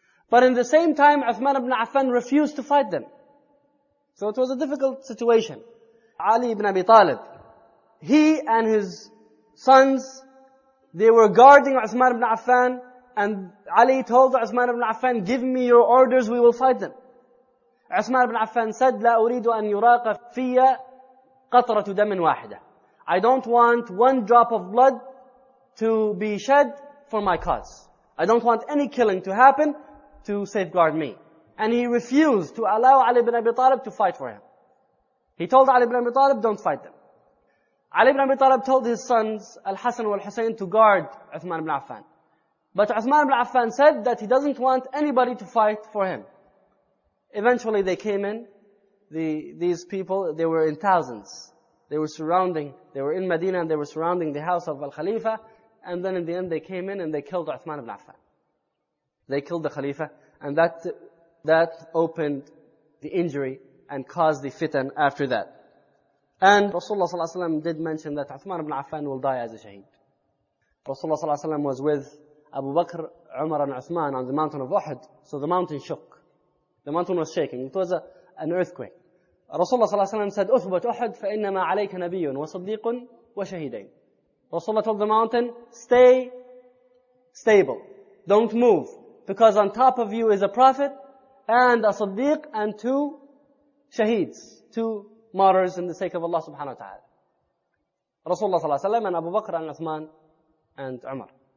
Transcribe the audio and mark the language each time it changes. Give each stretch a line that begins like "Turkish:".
English: But in the same time, Uthman ibn Affan refused to fight them. So it was a difficult situation. Ali ibn Abi Talib, he and his sons, they were guarding Uthman ibn Affan and Ali told Uthman ibn Affan, give me your orders, we will fight them.
Arabic: Uthman ibn Affan said, لا أريد أن يراق في قطرة دم واحدة.
English: I don't want one drop of blood to be shed for my cause. I don't want any killing to happen to safeguard me. And he refused to allow Ali ibn Abi Talib to fight for him. He told Ali ibn Abi Talib, don't fight them. Ali ibn Abi Talib told his sons, Al-Hasan and Al-Husayn, to guard Uthman ibn Affan. But Uthman ibn Affan said that he doesn't want anybody to fight for him. Eventually they came in. These people, they were in thousands. They were surrounding, they were in Medina and they were surrounding the house of Al-Khalifa. And then in the end they came in and they killed Uthman ibn Affan. They killed the Khalifa and that opened the injury and caused the fitan after that. And Rasulullah ﷺ did mention that Uthman ibn Affan will die as a shaheed. Rasulullah ﷺ was with Abu Bakr, Umar and Uthman on the mountain of Uhud. So the mountain shook. The mountain was shaking. It was an earthquake.
Arabic: Rasulullah sallallahu alayhi wa sallam said, أثبت أحد فإنما عليك نبي وصديق وشهيدين.
English: Rasulullah told the mountain, stay stable. Don't move. Because on top of you is a prophet and a صديق and two shaheeds. Two martyrs in the sake of Allah subhanahu wa ta'ala. Rasulullah sallallahu alayhi wa sallam and Abu Bakr and Uthman and Umar.